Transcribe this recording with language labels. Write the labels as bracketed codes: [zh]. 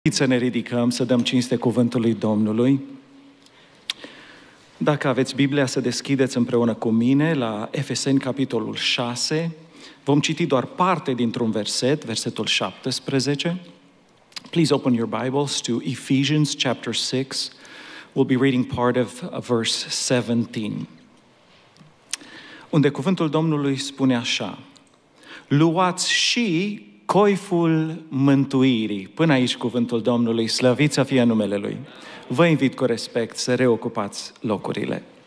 [ro] Știți, să ne ridicăm, să dăm cinste cuvântului Domnului. Dacă aveți Biblia, să deschideți împreună cu mine la Efeseni, capitolul 6. Vom citi doar parte dintr-un verset, versetul 17. [en] Please open your Bibles to Ephesians, chapter 6. We'll be reading part of verse 17. [ro] Unde cuvântul Domnului spune așa: luați și coiful mântuirii. Până aici cuvântul Domnului, slăvit să fie numele Lui. Vă invit cu respect să reocupați locurile.